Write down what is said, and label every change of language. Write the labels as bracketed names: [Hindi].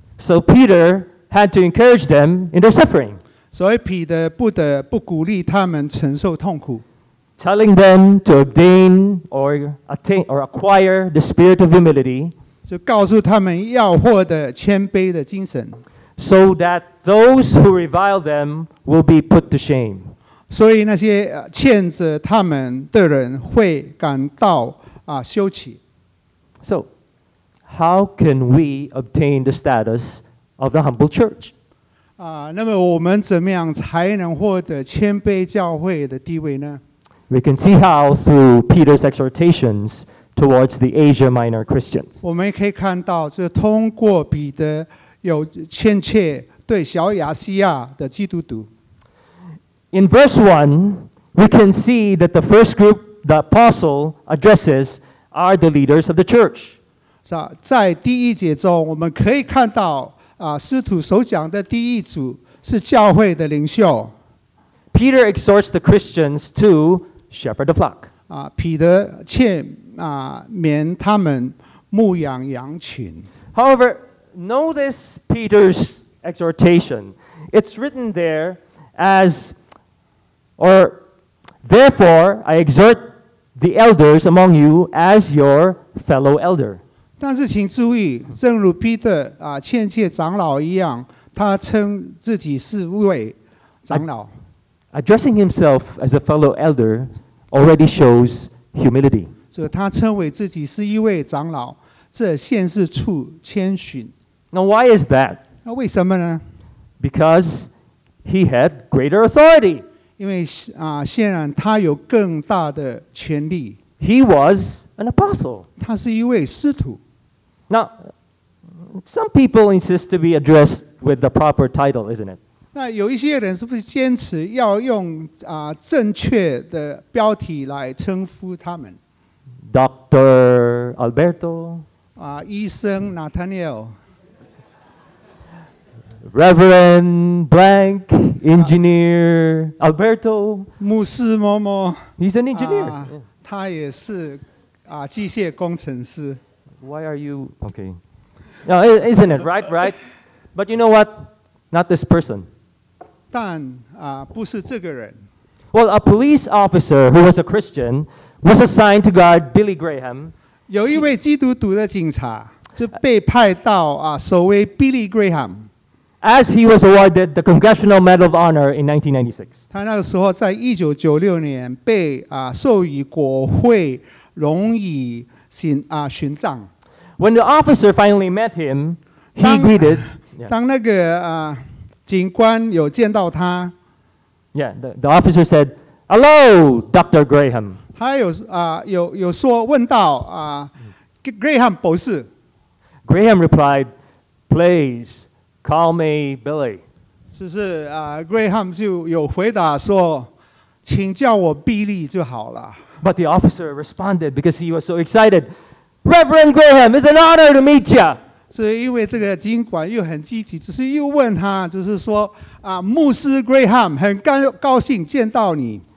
[English] so Peter had to encourage them in their suffering [Chinese] 所以彼得不得不鼓励他们承受痛苦 [English] telling them to obtain or attain or acquire the spirit of humility [Chinese] 就告诉他们要获得谦卑的精神 [English] So that those who revile them will be put to shame. [Chinese] 所以那些谴责他们的人会感到羞耻。 [English] So, how can we obtain the status of the humble church? [Chinese] 那么我们怎么样才能获得谦卑教会的地位呢？ [English] We can see how through Peter's exhortations towards the Asia Minor Christians. [Chinese] 我们可以看到，就是通过彼得。有劝诫对小亚细亚的基督徒。 [English] In verse 1, we can see that the first group the apostle addresses are the leaders of the church. [Chinese] 在第一节中，我们可以看到使徒所讲的第一组是教会的领袖。 [English] Peter exhorts the Christians to shepherd the flock. [Chinese] 彼得劝勉他们牧养羊群。 [English] However,Notice Peter's exhortation. It's written there as, or therefore I exhort the elders among you as your fellow elder. [Chinese] 但是请注意，正如彼得劝诫长老一样，他称自己是为长老。 [English] Addressing himself as a fellow elder already shows humility. [Chinese] 所以他称为自己是一位长老，这显示出谦逊。 [English] Now, why is that? [Chinese] 那为什么呢? [English] Because he had greater authority. [Chinese] 因为显然他有更大的权力。 [English] He was an apostle. [Chinese] 他是一位使徒。 [English] Now, some people insist to be addressed with the proper title, isn't it? [Chinese] 那有一些人是不是坚持要用正确的标题来称呼他们? [English] Dr. Alberto. [Chinese] 医生 Nathaniel. [English] Reverend Blank, Engineer Alberto. [Chinese] 牧师某某 [English] He's an engineer. [Chinese] 他也是机械工程师 [English] Why are you... Okay. No, isn't it? Right, right. But you know what? Not this person. [Chinese] 但不是这个人 [English] Well, a police officer who was a Christian was assigned to guard Billy Graham. [Chinese] 有一位基督徒的警察就被派到啊，守卫 Billy Graham。 [English] As he was awarded the Congressional Medal of Honor in [Chinese] 1996. 他那个时候在1996年被啊授予国会荣誉勋啊勋章。 [English] When the officer finally met him, he greeted. [Chinese] 当那个啊警官有见到他。 [English] Yeah, the officer said, "Hello, Dr. Graham." [Chinese] 他有说问到啊 ，Graham 博士。 [English] Graham replied, "Please call me Billy." [Chinese] 就是啊 ，Graham 就有回答说，请叫我 Billy 就好了。 [English] But the officer responded because he was so excited, "Reverend Graham, it's an honor to meet you." [Chinese] 是因为这个警官又很积极，只是又问他，就是说啊，牧师 Graham 很高兴见到你。